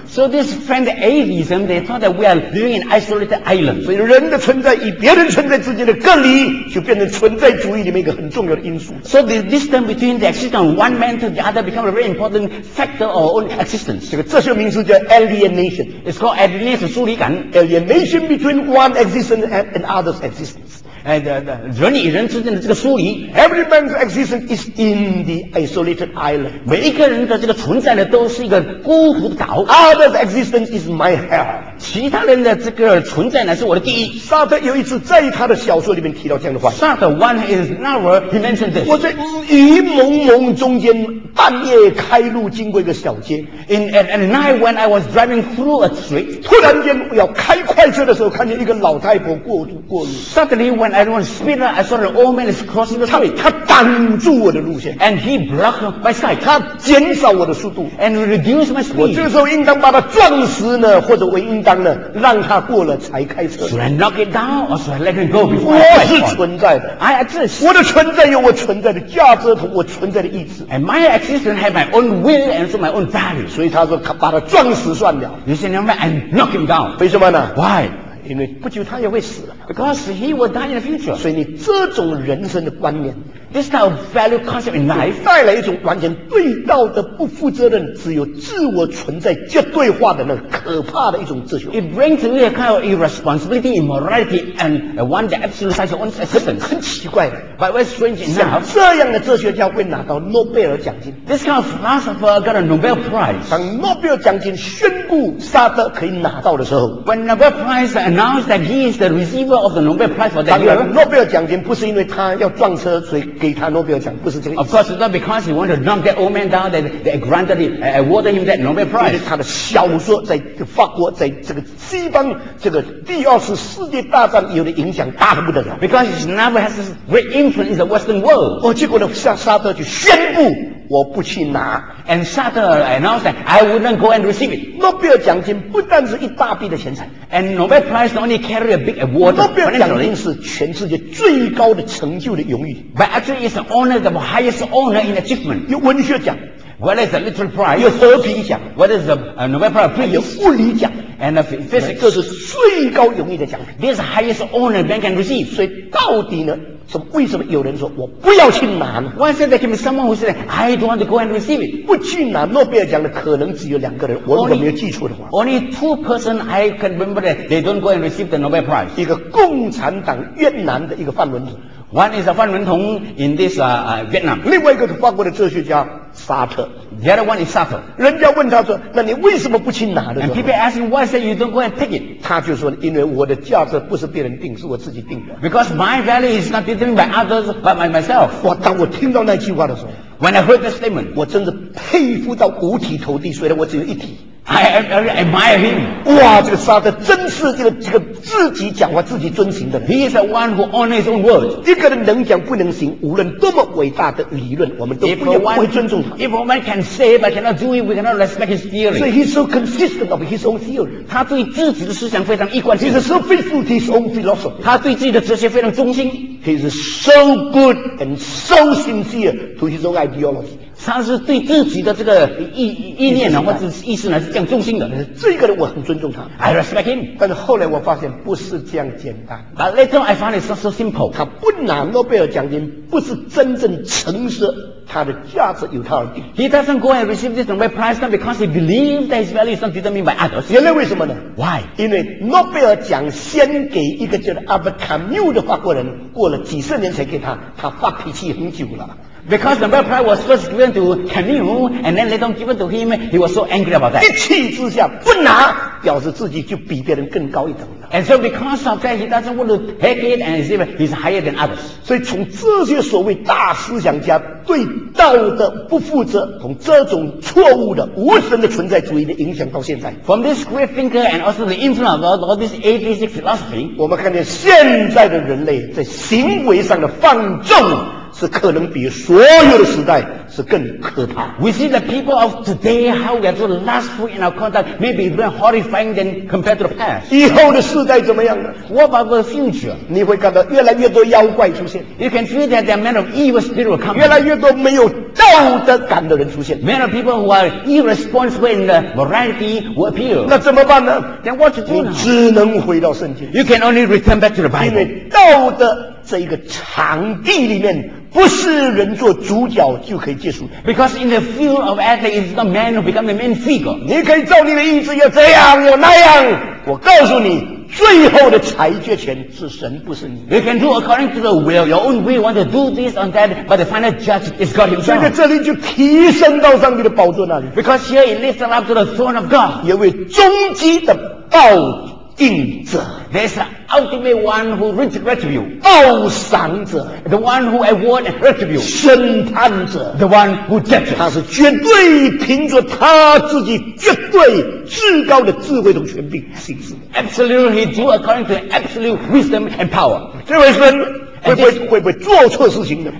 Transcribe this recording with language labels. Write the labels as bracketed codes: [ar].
[en] So this friend atheism, they thought that we are living in isolated island. [zh] 所以人的存在与别人存在之间的隔离就变成存在主义里面一个很重要的因素 [en] So the distance between the existence of one man to the other becomes a very important factor of our own existence. [zh] 这些名字叫 alienation. [en] It's called alienation, [zh] 疏离感 [en] Alienation. Between one existence and another's existence. And the [zh] 人与人之间的这个疏离 [en] Every man's existence is in the isolated island. [zh] 每一个人的这个存在呢，都是一个孤独的岛 [en] Other's existence is my hell. [zh] 其他人的这个存在呢，是我的地狱 Sartre 有一次在他的小说里面提到这样的话 [en] Sartre one is never he mentioned this. [zh] 我在雨蒙蒙中间半夜开路经过一个小街 [en] at night when I was driving through a street [zh] 突然间要开快车的时候看见一个老太婆过路 [en] Suddenly when I was speeding I saw an old man is crossing the street [zh] 他挡住我的路线 [en] And he blocked my sight [zh] 他减少我的速度 [en] And reduced my speed [zh] 我这个时候应当把他撞死呢或者我应当呢让他过了才开车 [en] Should I knock it down or should I let him go before [zh] 我是存在的 [en] I exist [zh] 我的存在有我存在的价值和我存在的意志 [en] And my existexistence have my own will and so my own value [zh] 所以他说把他撞死算了 [en] You say never mind and knock him down [zh] 为什么呢 [en] Why [zh] 因为不久他也会死了 [en] Because he will die in the future [zh] 所以你这种人生的观念 [en] This type of value concept in life [zh] 带来一种完全对道德不负责任只有自我存在绝对化的那可怕的一种哲学 [en] It brings to you a kind of irresponsibility immorality and one that absolutizes your own existence [zh] 很奇怪的 [en] But it was strange enough [zh] 像这样的哲学家会拿到诺贝尔奖金 [en] This kind of philosopher got a Nobel Prize [zh] 当诺贝尔奖金宣布沙特可以拿到的时候 [en] When Nobel Prize announced that he is the receiver of the Nobel Prize for that year [zh] 当然诺贝尔奖金不是因为他要撞车所以给他诺贝尔奖不是这个意思 [en] Of course it's not because he wanted to knock that old man down that they granted him awarded him that Nobel Prize [zh] 因为他的小说在法国在这个西方这个第二次世界大战以后的影响大得不得了 [en] Because his novel has this great influence in the Western world [zh] 结果呢沙特就宣布我不去拿 [en] And Sartre announced that I wouldn't go and receive it [zh] 诺贝尔奖金不但是一大笔的钱财 [en] And Nobel Prize only carry a big award [zh] 诺贝尔奖金是全世界最高的成就的荣誉 [en] But actually it's an honor the highest honor in achievement [zh] 有文学奖 [en] Whether it's a literary prize [zh] 有和平奖 [en] Whether it's a Nobel Prize please [zh] 有物理奖 [en] And a physics [zh] 这是最高荣誉的奖品 [en] This is the highest honor man can receive [zh] 所以到底呢 [en] So, [zh] 为什么有人说我不要去拿呢？ [en] Why said there can be someone who said I don't want to go and receive it? [zh] 不去拿，诺贝尔奖的可能只有两个人。我如果没有记错的话 [en] only two person I can remember that they don't go and receive the Nobel Prize. [zh] 一个共产党越南的一个范文同。 [en] One is a 范文同 in this Vietnam. [zh] 另外一个是法国的哲学家沙特。 [en] The other one is Sartre. [zh] 人家问他说，那你为什么不去拿的？ [en] And people ask him, why say you don't go and take it? [zh] 他就说，因为我的价值不是别人定，是我自己定的。 [en] Because my value is not determined by others, but by myself. [zh] 哇，当我听到那句话的时候， [en] When I heard the statement, [zh] 我真是佩服到五体投地，虽然我只有一体。 [en] I admire him. [zh] 哇，这个沙特真是这个自己讲话自己遵行的。 [en] He is the one who honors his own word. [zh] 一个人能讲不能行，无论多么伟大的理论，我们都不会尊重他。 [en] If a man can say but cannot do it, we cannot respect his theory. So he's so consistent of his own theory. [zh] 他对自己的思想非常一贯性。 [en] He's so faithful to his own philosophy. [zh] 他对自己的哲学非常忠心。 [en] He's so good and so sincere to his own ideology. [zh] 他是对自己的这个意念呢，或者意思呢，是这样忠心的。这个人我很尊重他 [en] ，I respect him。 [zh] 但是后来我发现不是这样简单。 [en] But later I found it's not so simple。 [zh] 他不拿诺贝尔奖金，不是真正诚实。他的价值有他而定。 [en] He doesn't go and receive this Nobel Prize not because he believes that his value is not determined by others. [zh] 原来为什么呢 [en] ？Why？ [zh] 因为诺贝尔奖先给一个叫 Albert Camus 的法国人，过了几十年才给他，他发脾气很久了。 [en] Because the Nobel Prize was first given to Camus, and then later given to him, he was so angry about that. [zh] 一气之下不拿，表示自己就比别人更高一等了。 [en] And so because of that, he doesn't want to take it, and even he's higher than others. [zh] 所以从这些所谓大思想家对道德不负责，从这种错误的无神的存在主义的影响到现在。 [en] From this great thinker and also the influence of all this atheistic philosophy, [zh] 我们看见现在的人类在行为上的放纵。是可能比所有的时代是更可怕。 [en] We see the people of today how we are so lustful in our conduct, maybe even horrifying than compared to the past. [zh] 以后的时代怎么样呢 [en] ？What about the future? [zh] 你会看到越来越多妖怪出现。 [en] You can see that there are men of evil spirit will come. [zh] 越来越多没有道德感的人出现。 [en] Many people who are irresponsible in the morality will appear. [zh] 那怎么办呢 [en] ？Then what to do? [zh] 你只能回到圣经。 [en] You can only return back to the Bible. [zh] 因为道德这一个场地里面。不是人做主角就可以结束。 [en] Because in the field of ethics, it's the man who becomes the main figure. [zh] 你可以照你的意志要这样要那样。我告诉你，最后的裁决权是神，不是你。 [en] You can do according to the will, your own will, want to do this or that, but the final judge is God himself. [zh] 所以在这里就提升到上帝的宝座那里。 [en] Because here it lifts up to the throne of God. [zh] 也为终极的报应者。 [en] There's an ultimate one who reaps retribution. [zh] 报赏者 [en] The one who awards retribution. [zh] 审判者 [en] The one who judges. [zh] 他是绝对凭着他自己绝对至高的智慧和权柄行事 [en] Absolutely, he do according to absolute wisdom and power. [zh] 这位神会不会做错事情的